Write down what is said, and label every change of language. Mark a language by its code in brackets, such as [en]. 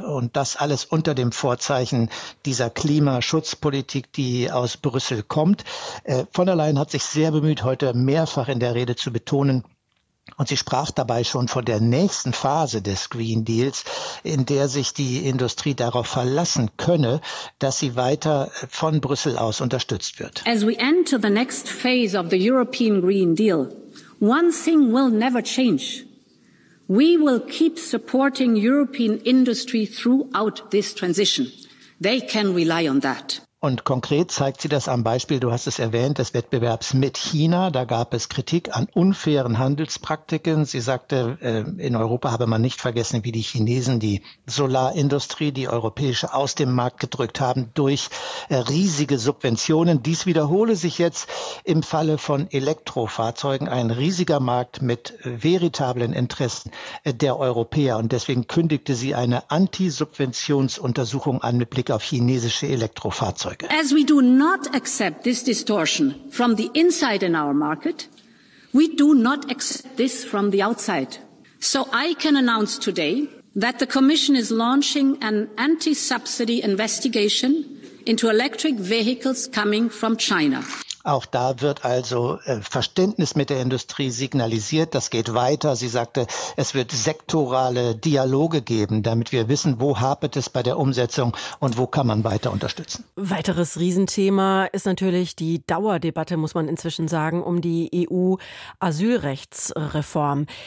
[de] Und das alles unter dem Vorzeichen dieser Klimaschutzpolitik, die aus Brüssel kommt. Von der Leyen hat sich sehr bemüht, heute mehrfach in der Rede zu betonen, Und sie sprach dabei schon von der nächsten Phase des Green Deals, in der sich die Industrie darauf verlassen könne, dass sie weiter von Brüssel aus unterstützt wird. [en] As we enter the next phase of the European Green Deal, one thing will never change. We will keep supporting European industry throughout this transition. They can rely on that. [de] Und konkret zeigt sie das am Beispiel, du hast es erwähnt, des Wettbewerbs mit China. Da gab es Kritik an unfairen Handelspraktiken. Sie sagte, in Europa habe man nicht vergessen, wie die Chinesen die Solarindustrie, die europäische, aus dem Markt gedrückt haben durch riesige Subventionen. Dies wiederhole sich jetzt im Falle von Elektrofahrzeugen, ein riesiger Markt mit veritablen Interessen der Europäer. Und deswegen kündigte sie eine Anti-Subventionsuntersuchung an mit Blick auf chinesische Elektrofahrzeuge. [en] As we do not accept this distortion from the inside in our market, we do not accept this from the outside. So I can announce today that the Commission is launching an anti-subsidy investigation into electric vehicles coming from China. [de] Auch da wird also Verständnis mit der Industrie signalisiert. Das geht weiter. Sie sagte, es wird sektorale Dialoge geben, damit wir wissen, wo hapert es bei der Umsetzung und wo kann man weiter unterstützen. Weiteres Riesenthema ist natürlich die Dauerdebatte, muss man inzwischen sagen, um die EU-Asylrechtsreform.